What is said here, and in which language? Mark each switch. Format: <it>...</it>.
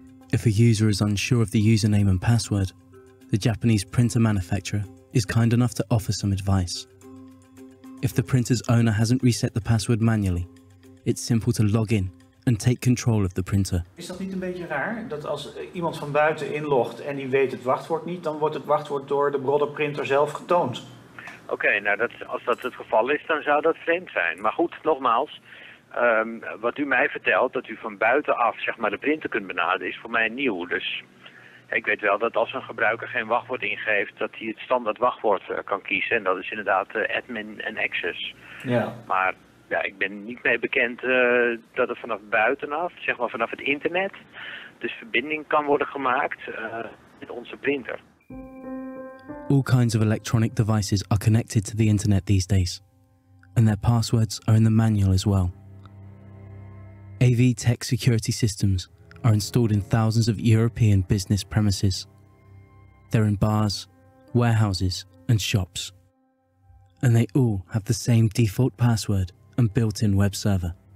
<en>If a user is unsure of the username and password, the Japanese printer manufacturer is kind enough to offer some advice. If the printer's owner hasn't reset the password manually, it's simple to log in and take control of the printer.</en> <nl>Is dat niet een beetje raar dat als iemand van buiten inlogt en die weet het wachtwoord niet, dan wordt het wachtwoord door de Brother printer zelf getoond? Oké, okay, nou als dat het geval is, dan zou dat vreemd zijn. Maar goed, nogmaals, wat u mij vertelt, dat u van buitenaf zeg maar de printer kunt benaderen, is voor mij nieuw. Dus ik weet wel dat als een gebruiker geen wachtwoord ingeeft, dat hij het standaard wachtwoord kan kiezen. En dat is inderdaad admin en access. Ja. Maar ja, ik ben niet mee bekend dat er vanaf buitenaf, zeg maar vanaf het internet, dus verbinding kan worden gemaakt met onze printer.</nl> <en>All kinds of electronic devices are connected to the internet these days, and their passwords are in the manual as well. AV Tech security systems are installed in thousands of European business premises. They're in bars, warehouses, and shops. And they all have the same default password and built-in web server.</en>